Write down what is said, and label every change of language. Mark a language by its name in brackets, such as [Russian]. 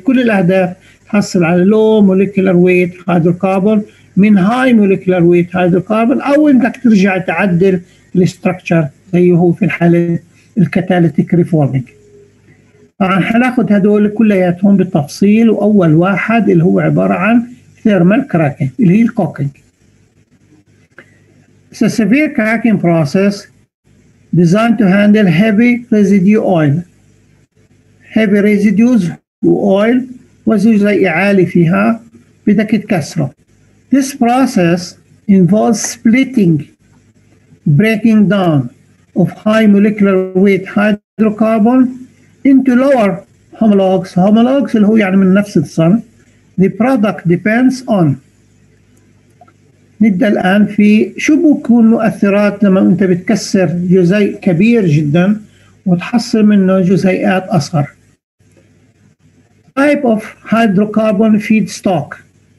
[Arabic] كل الأهداف حصل على low molecular weight hydrocarbon من high molecular weight hydrocarbon، أو إنك ترجع تعدل الستركتشر زي هو في الحالة الكاتاليتيك ريفورمينج. هناخد هدول كلياتهم بالتفصيل، وأول واحد اللي هو عبارة عن thermal cracking اللي هي الكوكينج. [English] It's a severe cracking process designed to handle heavy residue oil. [Arabic] Heavy residues oil وزن جزيئي عالي فيها بدك تكسره. [English] This process involves splitting, breaking down of high molecular weight hydrocarbon into lower homologs. [Arabic] Homologs اللي هو يعني من نفس الصنف. [English] The product depends on. [Arabic] نبدأ الآن في شو بكون مؤثرات لما أنت بتكسر جزيء كبير جدا وتحصل منه جزيئات أصغر. [English] Type of hydrocarbon feedstock.